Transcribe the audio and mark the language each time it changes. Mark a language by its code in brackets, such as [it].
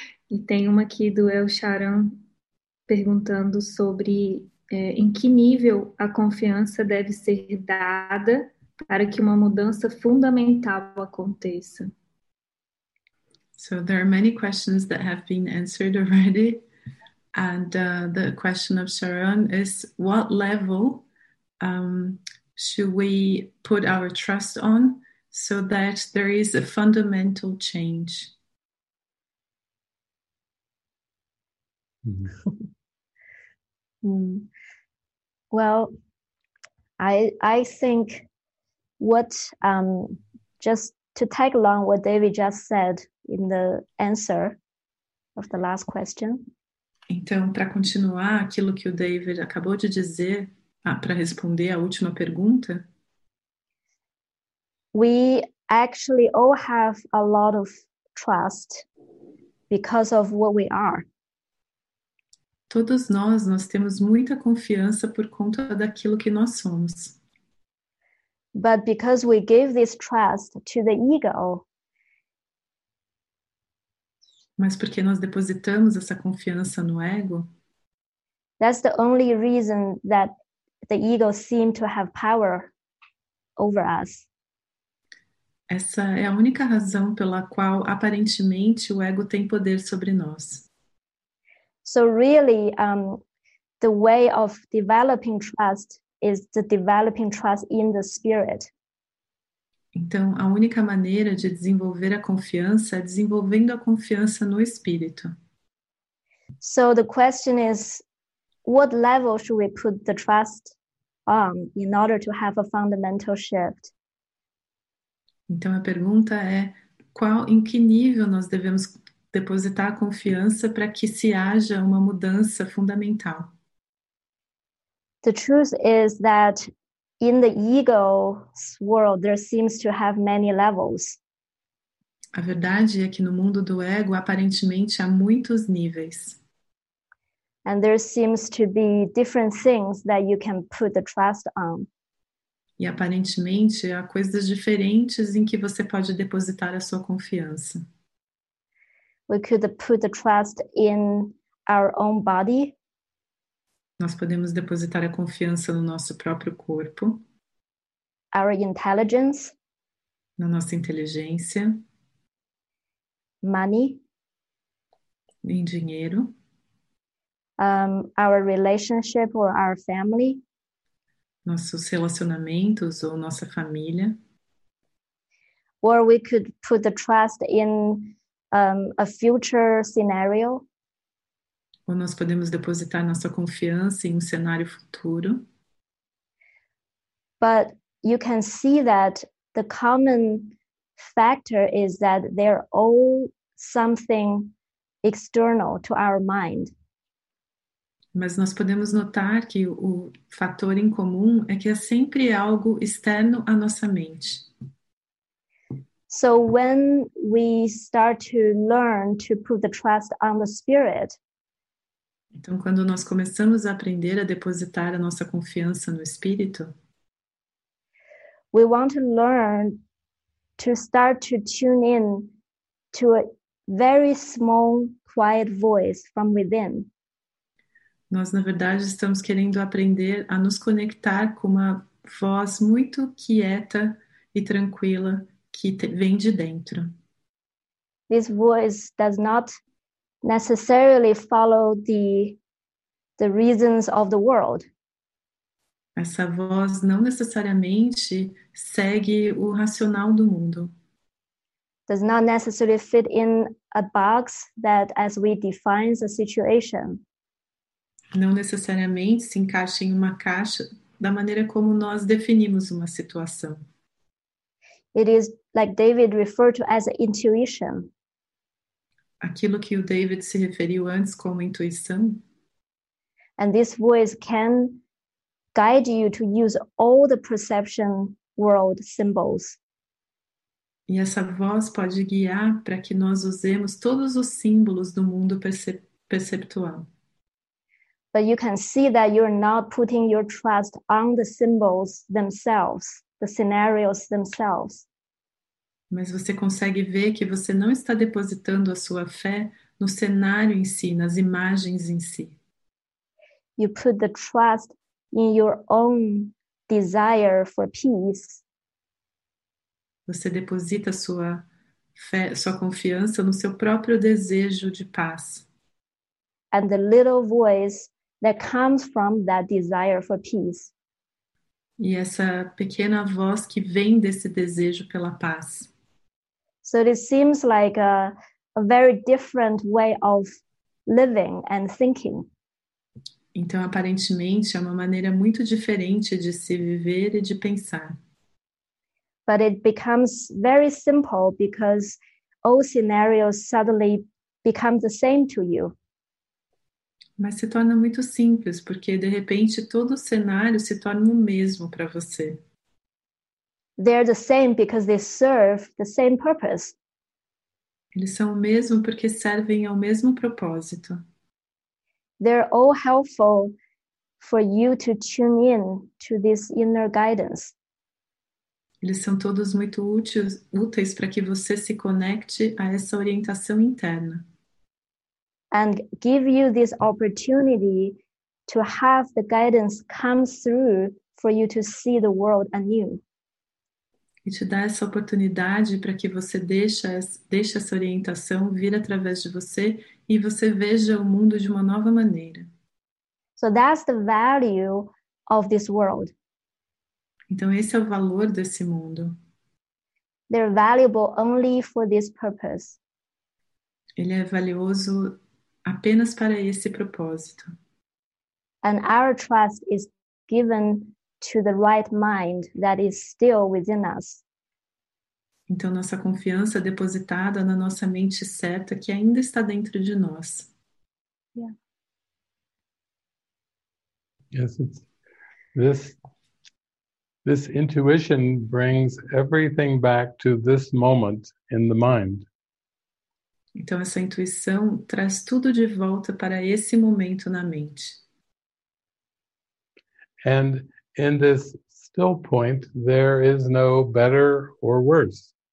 [pt] E tem uma aqui do El Sharon perguntando sobre em que nível a confiança deve ser dada para que uma mudança fundamental aconteça. [en] So there are many questions that have been answered already. And the question of Sharon is, what level should we put our trust on so that there is a fundamental change? Well, I think what just to tag along what David just said in the answer of the last question. [pt] Então, para continuar aquilo que o David acabou de dizer, para responder a última pergunta. [en] We actually all have a lot of trust because of what we are. [pt] Todos nós temos muita confiança por conta daquilo que nós somos. [en] But because we give this trust to the ego. [pt] Mas porque nós depositamos essa confiança no ego. [en] That's the only reason that the ego seems to have power over us. [pt] Essa é a única razão pela qual aparentemente o ego tem poder sobre nós. [en] So really, the way of developing trust is the developing trust in the spirit. [pt] Então, a única maneira de desenvolver a confiança é desenvolvendo a confiança no espírito. [en] So the question is, what level should we put the trust on in order to have a fundamental shift? [pt] Então, a pergunta é, em que nível nós devemos depositar a confiança para que se haja uma mudança fundamental. [en] The truth is that in the ego's world there seems to have many levels. [pt] A verdade é que no mundo do ego aparentemente há muitos níveis. [en] And there seems to be different things that you can put the trust on. [pt] E aparentemente há coisas diferentes em que você pode depositar a sua confiança. [en] We could put the trust in our own body. [pt] Nós podemos depositar a confiança no nosso próprio corpo. [en] Our intelligence. [pt] Na nossa inteligência. [en] Money. [pt] Em dinheiro. [en] Our relationship or our family. [pt] Nossos relacionamentos ou nossa família. [en] Or we could put the trust in a future scenario. [pt] Ou nós podemos depositar nossa confiança em cenário futuro. [en] But you can see that the common factor is that they're all something external to our mind. [pt] Mas nós podemos notar que o fator em comum é que é sempre algo externo à nossa mente. [en] So when we start to learn to put the trust on the spirit. [pt] Então quando nós começamos a aprender a depositar a nossa confiança no espírito. [en] We want to learn to start to tune in to a very small quiet voice from within. [pt] Nós na verdade estamos querendo aprender a nos conectar com uma voz muito quieta e tranquila. Que vem de dentro. [en] This voice does not necessarily follow the reasons of the world. [pt] Essa voz não necessariamente segue o racional do mundo. [en] Does not necessarily fit in a box that as we define a situation. [pt] não necessariamente se encaixa em uma caixa da maneira como nós definimos uma situação. [en] It is like David referred to as intuition. [pt] Aquilo que o David se referiu antes como intuição. [en] And this voice can guide you to use all the perception world symbols. [pt] E essa voz pode guiar para que nós usemos todos os símbolos do mundo perceptual. [en] But you can see that you're not putting your trust on the symbols themselves, the scenarios themselves. [pt] Mas você consegue ver que você não está depositando a sua fé no cenário em si, nas imagens em si. [en] You put the trust in your own desire for peace. [pt] Você deposita sua fé, sua confiança no seu próprio desejo de paz. [en] And the little voice that comes from that desire for peace. [pt] E essa pequena voz que vem desse desejo pela paz. [en] So it seems like a very different way of living and thinking. [pt] Então, aparentemente, é uma maneira muito diferente de se viver e de pensar. [en] But it becomes very simple because all scenarios suddenly become the same to you. [pt] Mas se torna muito simples, porque de repente todo o cenário se torna o mesmo para você. [en] They're the same because they serve the same purpose. [pt] Eles são o mesmo porque servem ao mesmo propósito. [en] They're all helpful for you to tune in to this inner guidance. [pt] Eles são todos muito úteis para que você se conecte a essa orientação interna. [en] And give you this opportunity to have the guidance come through for you to see the world anew. [pt] E te dá essa oportunidade para que você deixe essa orientação vir através de você e você veja o mundo de uma nova maneira. [en] So that's the value of this world. [pt] Então, esse é o valor desse mundo. [en] They're valuable only for this purpose. [pt] Ele é valioso apenas para esse propósito. [en] And our trust is given to the right mind that is still within us. [pt] Então, nossa confiança é depositada na nossa mente certa que ainda está dentro de nós. [en] Yes, this intuition brings everything back to this moment in the mind. [pt] Então, essa intuição traz tudo de volta para esse momento na mente. [en] And in this still point, there is no better or worse.